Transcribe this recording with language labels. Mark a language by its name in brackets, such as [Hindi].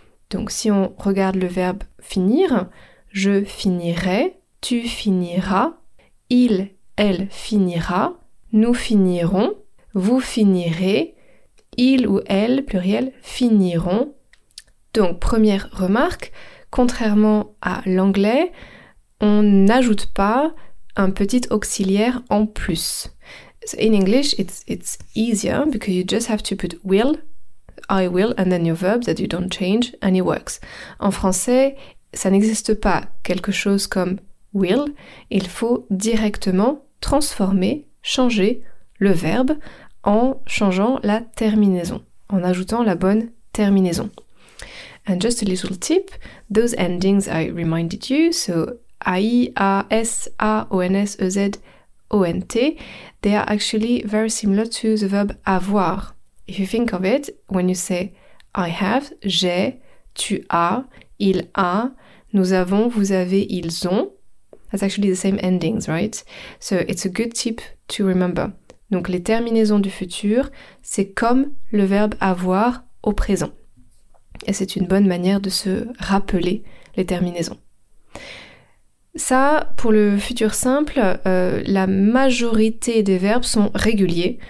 [French] Donc si on regarde le verbe finir, je finirai, tu finiras, il, elle finira, nous finirons, vous finirez, il ou elle pluriel finiront. Donc première remarque, contrairement à l'anglais, on n'ajoute pas un petit auxiliaire en plus. [English] So in English, it's easier because you just have to put will, I will, and then your verb that you don't change, and it works. [French] En français, ça n'existe pas quelque chose comme will. Il faut directement transformer, changer le verbe en changeant la terminaison, en ajoutant la bonne terminaison. [English] And just a little tip, those endings I reminded you, so AI, AS, A, ONS, EZ, ONT, they are actually very similar to the verb avoir. If you think of it, when you say I have, [French] j'ai, tu as, il a, nous avons, vous avez, ils ont, [English] that's actually the same endings, right? So it's a good tip to remember. [French] Donc les terminaisons du futur, c'est comme le verbe avoir au présent. Et c'est une bonne manière de se rappeler les terminaisons. Ça, pour le futur simple, la majorité des verbes sont réguliers.